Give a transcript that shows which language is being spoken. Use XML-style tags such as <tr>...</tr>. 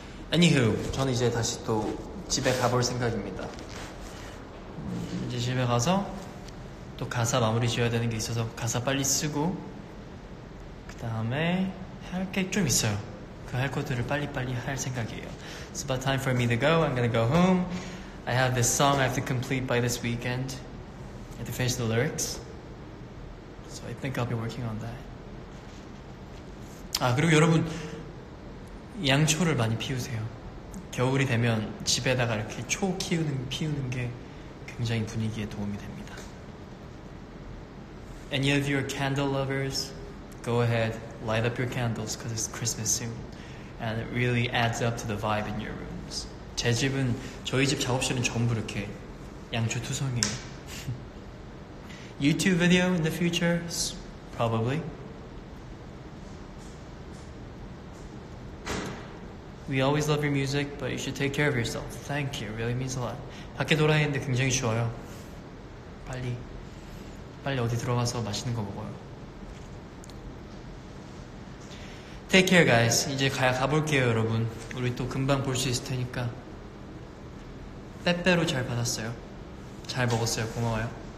<ko>아니후, 저는 이제 다시 또 집에 가볼 생각입니다. 이제 집에 가서 또 가사 마무리 지어야 되는 게 있어서 가사 빨리 쓰고 그 다음에 할 게 좀 있어요. 그 할 것들을 빨리빨리 할 생각이에요.</ko> <en>It's about time for me to go. I'm gonna go home. I have this song I have to complete by this weekend. I have to finish the lyrics. So I think I'll be working on that.</en> <ko>아 그리고 여러분 양초를 많이 피우세요. 겨울이 되면 집에다가 이렇게 초 피우는 게 굉장히 분위기에 도움이 됩니다.</ko> <en>Any of you are candle lovers, go ahead, light up your candles because it's Christmas soon. And it really adds up to the vibe in your rooms.</en> <ko>제 집은, 저희 집 작업실은 전부 이렇게 양초투성이에요.</ko> <en>YouTube video in the future? Probably. We always love your music, but you should take care of yourself. Thank you, it really means a lot.</en> <ko>밖에 돌아다니는데 굉장히 추워요. 빨리 빨리 어디 들어가서 맛있는 거 먹어요.</ko> <en>Take care, guys.</en> <ko>이제 가볼게요, 여러분. 우리 또 금방 볼 수 있을 테니까. 빼빼로 잘 받았어요. 잘 먹었어요. 고마워요.</ko>